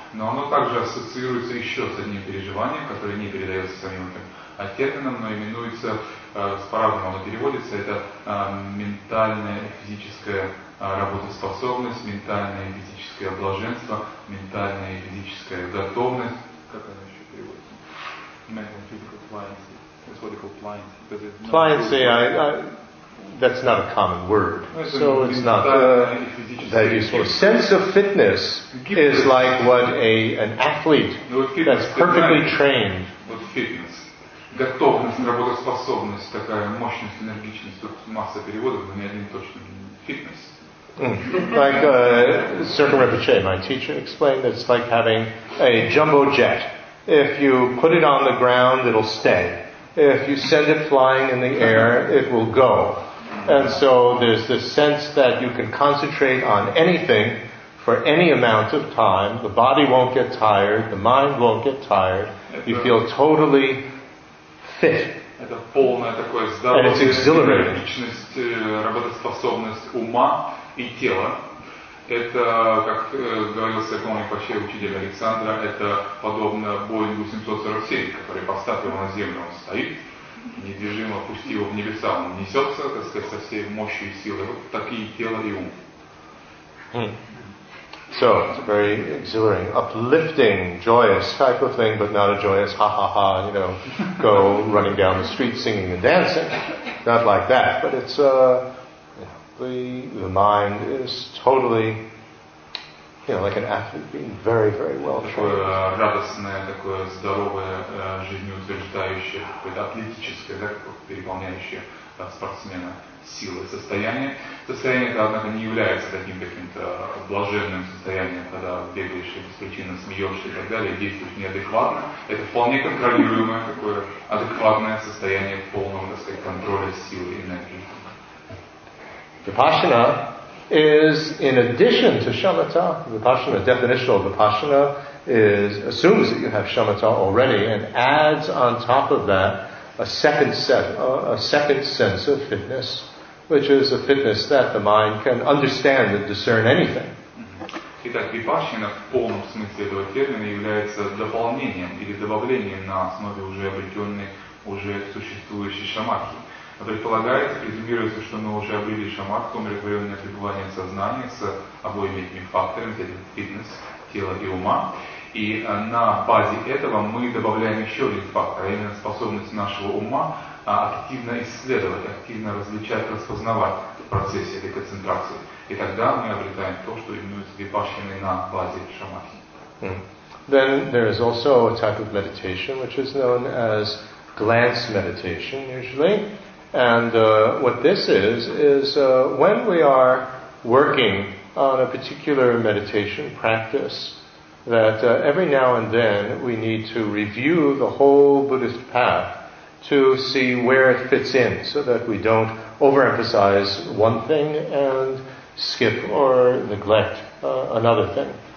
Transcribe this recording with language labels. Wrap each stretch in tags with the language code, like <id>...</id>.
<ru>Но оно также ассоциируется еще с одним переживанием, которое не передается самим этим термином, но именуется, по-разному оно переводится, это ментальная и физическая работоспособность, ментальное и физическое блаженство, ментальная и физическая готовность. Как оно еще переводится?</ru> <en>Mental physical pliancy. That's what they call pliancy. Pliancy, that's not a common word. So it's not that useful. Sense of fitness is like what an athlete that's perfectly trained.</en> <ru>Вот фитнес. Готовность, работоспособность, такая мощность, энергичность, тут масса переводов, но не один точно фитнес.</ru> <en>Like Circle Rinpoche, my teacher, explained that it's like having a jumbo jet. If you put it on the ground, it'll stay. If you send it flying in the air, it will go. And so there's this sense that you can concentrate on anything for any amount of time. The body won't get tired. The mind won't get tired. You feel totally fit. And it's exhilarating.</en> <ru>Это, как говорил Сергей Пачей, учитель Александра, это подобно Боингу 747, который поставил на землю, он стоит, недвижимо пустил в небеса, он несется, так сказать, со всей мощью и силой. Вот такие тело и ум.</ru> <en>So, it's a very exhilarating, uplifting, joyous type of thing, but not a joyous ha-ha-ha, you know, go running down the street singing and dancing. Not like that, but it's a... The mind is totally, you know, like an athlete being very, very well trained.</en> <ru>Радостное, такое здоровое, жизнеутверждающее, какое-то атлетическое, да, переполняющее спортсмена силы состояние. Состояние, однако, не является таким каким-то блаженным состоянием, когда бегаешь и беспричинно смеешься и так далее, действуешь неадекватно. Это вполне контролируемое, такое адекватное состояние полного, так сказать, контроля силы и энергии.</ru> <en>Vipassana is in addition to shamatha. Vipassana, the definition of vipassana, assumes that you have shamatha already and adds on top of that a second sense of fitness, which is a fitness that the mind can understand and discern anything.</en> <ru>Итак, випассана в полном смысле этого термина является дополнением или добавлением на основе уже обретенной, уже существующей шамадхи. Предполагается, презумируется, что мы уже обрели шамадху, умиротворенное пребывание сознания с обоими этими факторами, это фитнес, тело и ума. И на базе этого мы добавляем еще один фактор, а именно способность нашего ума активно исследовать, активно различать, распознавать в процессе этой концентрации. И тогда мы обретаем то, что именуется випассаной на базе шамадхи.</ru> <en>Then there is also a type of meditation, which is known as glance meditation usually. And what this is when we are working on a particular meditation practice, that every now and then we need to review the whole Buddhist path to see where it fits in, so that we don't overemphasize one thing and skip or neglect another thing.</en>